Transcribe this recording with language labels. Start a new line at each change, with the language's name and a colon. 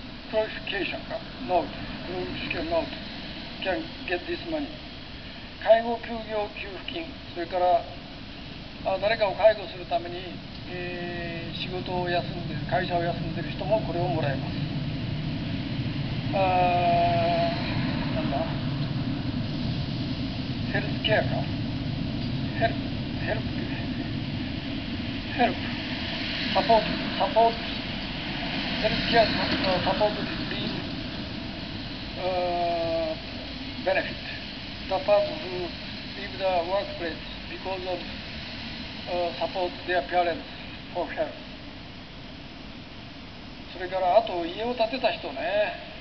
English: Qualification, note, qualification note, can get this money.
Japanese: 介護休業給付金、それから誰かを介護するために、仕事を休んでる、会社を休んでる人もこれをもらえます。なんだ、ヘルスケアか、ヘルプ、サポート、ヘルスケアのサポートです。
English: Benefit. The person who leave the workplace because of support their parents for help.
Japanese: それからあと家を建てた人ね。